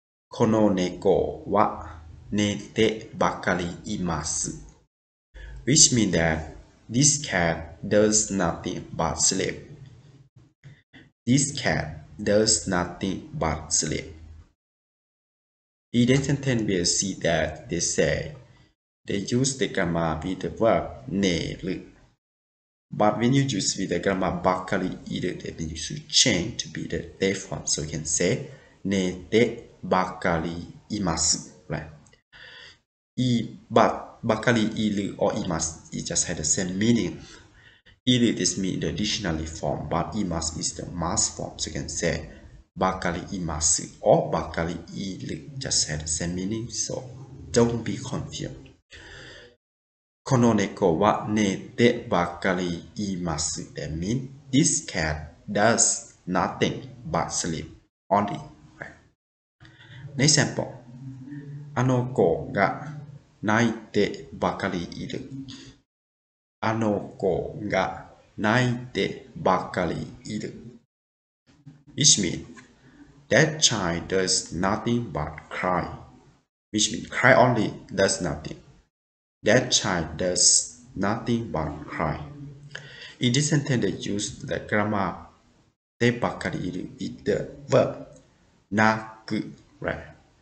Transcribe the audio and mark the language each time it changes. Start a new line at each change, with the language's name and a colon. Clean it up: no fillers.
Japanese: この猫は寝てばかりいます。
English: Which means that this cat does nothing but sleep. This cat does nothing but sleep. In this sentence, we'll see that they say they use the grammar with the verb 寝る. But when you use with the grammar ばかり이르, then you should change to be the day form. So you can say
Japanese: 寝てばかりいます.
English: Right? ばかりいる or います, it just had the same meaning. いる, this means the dictionary form, but います is the mass form. So you can say
Japanese: ばかりいます
English: or
Japanese: ばかりいる,
English: just had the same meaning. So don't be confused.
Japanese: この猫は寝てばかりいます.
English: That means this cat does nothing but sleep only. Next example.
Japanese: あの子が泣いてばかりいる。あの子が泣いてばかりいる。
English: Which means that child does nothing but cry. Which means cry only does nothing. That child does nothing but cry. In this sentence, they use the grammar てばかりいる with the verb 泣く, right?